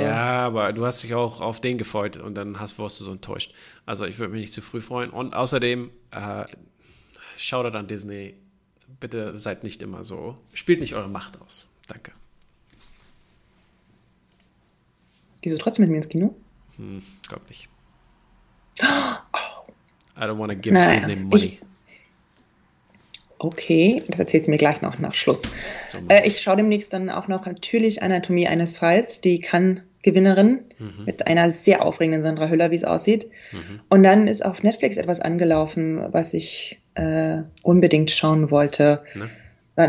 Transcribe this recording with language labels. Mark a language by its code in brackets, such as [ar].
[de] Ja, aber du hast dich auch auf den gefreut und dann wurdest du so enttäuscht. Also ich würde mich nicht zu früh freuen. Und außerdem, Shoutout an Disney, bitte seid nicht immer so. Spielt nicht eure Macht aus. Danke. Gehst du trotzdem mit mir ins Kino? Glaub nicht. [en] I don't want to give Disney money. [de] Okay, das erzählt sie mir gleich noch nach Schluss. Ich schaue demnächst dann auch noch natürlich Anatomie eines Falls, die Cannes-Gewinnerin, mit einer sehr aufregenden Sandra Hüller, wie es aussieht. Mhm. Und dann ist auf Netflix etwas angelaufen, was ich unbedingt schauen wollte. Na?